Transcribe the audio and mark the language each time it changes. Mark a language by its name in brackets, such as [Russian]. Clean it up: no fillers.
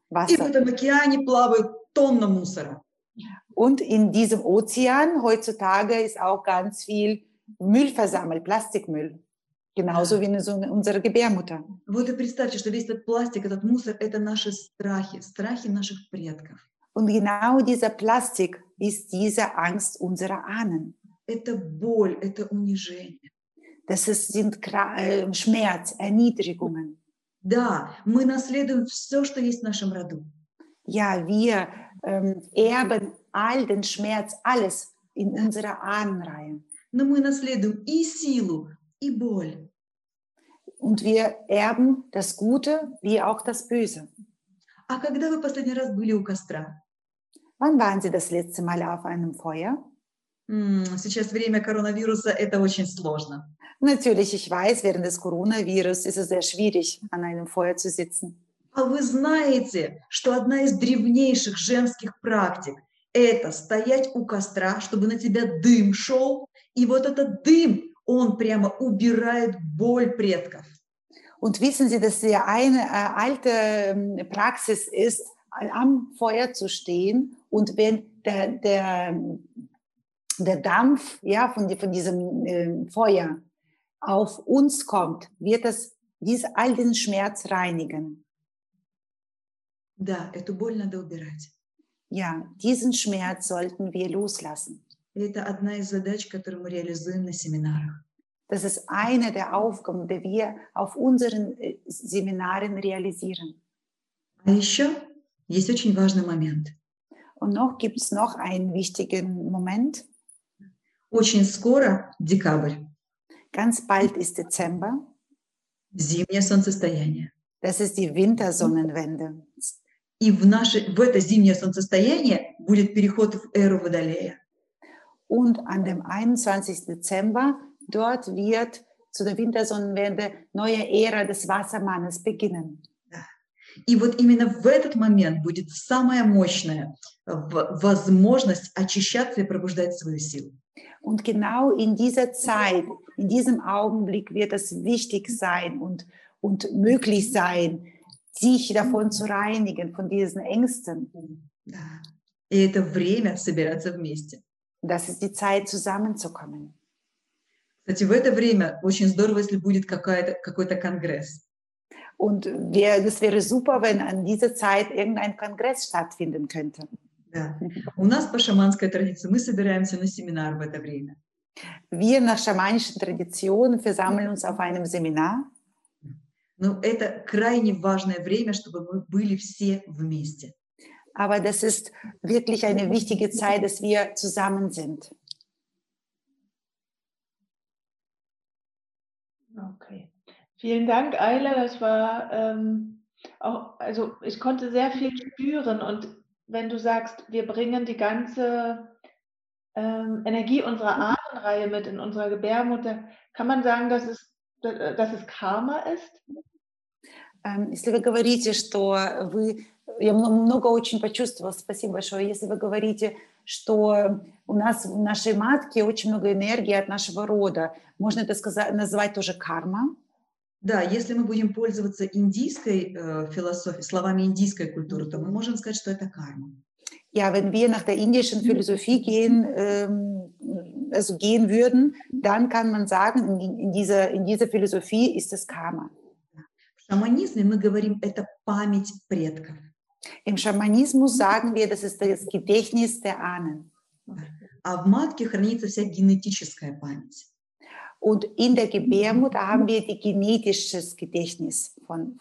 [Russian] И в этом океане плавают тонна мусора. [German] Und in diesem Ozean heutzutage ist auch ganz viel Müll versammelt, Plastikmüll. Genauso wie in unserer Gebärmutter. [Russian] Вот и представьте, что весь этот пластик, этот мусор, это наши страхи, страхи наших предков. [German] Und genau dieser Plastik ist diese Angst unserer Ahnen. [Russian] Это боль, это унижение. [German] Das sind Schmerz, Erniedrigungen. [Russian] Да, мы наследуем все, что есть в нашем роду. [German] Ja, wir erben all den Schmerz, alles in unserer Ahnenreihe. [Russian] Но мы наследуем и силу, и боль. [German] Und wir erben das Gute, wie auch das Böse. [Russian] А когда вы последний раз были у костра? [German] Wann waren Sie das letzte Mal auf einem Feuer? [Russian] Сейчас время коронавируса, это очень сложно. [German] Natürlich, ich weiß, während des Coronavirus ist es sehr schwierig, an einem Feuer zu sitzen. [Russian] А вы знаете, что одна из древнейших женских практик – это стоять у костра, чтобы на тебя дым шел, и вот этот дым, он прямо убирает боль предков. [German] Und wissen Sie, dass die eine alte Praxis ist, am Feuer zu stehen, und wenn der Dampf, ja, von diesem Feuer auf uns kommt, wird das dies all den Schmerz reinigen. [Russian] Да, эту боль надо убирать. [German] Ja, diesen Schmerz sollten wir loslassen. [Russian] Это одна из задач, которую мы реализуем на семинарах. [German] Das ist eine der Aufgaben, die wir auf unseren Seminaren realisieren. [Russian] А еще Есть очень важный момент. [German] Und noch gibt es noch einen wichtigen Moment. [Russian] Очень скоро декабрь. [German] Ganz bald ist Dezember. [Russian] Зимнее солнцестояние. [German] Das ist die Wintersonnenwende. [Russian] И в наше в это зимнее солнцестояние будет переход в эру Водолея. [German] Und an dem 21. Dezember dort wird zu der Wintersonnenwende neue Ära des Wassermannes beginnen. [Russian] И вот именно в этот момент будет самая мощная возможность очищаться и пробуждать свою силу. [German] Und genau in dieser Zeit, in diesem Augenblick wird es wichtig sein und möglich sein, sich davon zu reinigen, von diesen Ängsten. [Russian] И это время собираться вместе. [German] Das ist die Zeit, zusammenzukommen. [Russian] Кстати, в это время очень здорово, если будет какой-то конгресс. [German] Und das wäre super, wenn an dieser Zeit irgendein Kongress stattfinden könnte. [Russian] Да. У нас по шаманской традиции мы собираемся на семинар в это время. [German] Wir nach schamanischen Traditionen versammeln uns auf einem Seminar. [Russian] Но это крайне важное время, чтобы мы были все вместе. [German] Aber das ist wirklich eine wichtige Zeit, dass wir zusammen sind. Okay. Vielen Dank, Ayla. Das war auch, also ich konnte sehr viel spüren. Und wenn du sagst, wir bringen die ganze Energie unserer Ahnenreihe mit in unserer Gebärmutter, kann man sagen, dass es Karma ist? [Russian] Если вы говорите, что вы, я много очень почувствовала, спасибо большое. Если вы говорите, что у нас в нашей матке очень много энергии от нашего рода, можно это сказать, назвать тоже карма? Да, если мы будем пользоваться индийской философией, словами индийской культуры, то мы можем сказать, что это карма. [German] Ja, wenn wir nach der indischen Philosophie gehen, also gehen würden, dann kann man sagen, in dieser Philosophie ist es Karma. [Russian] В шаманизме мы говорим, это память предков. [German] Im Schamanismus sagen wir, das ist das Gedächtnis der Ahnen. [Russian] А в матке хранится вся генетическая память. [German] Und in der Gebärmutter haben wir die genetisches Gedächtnis von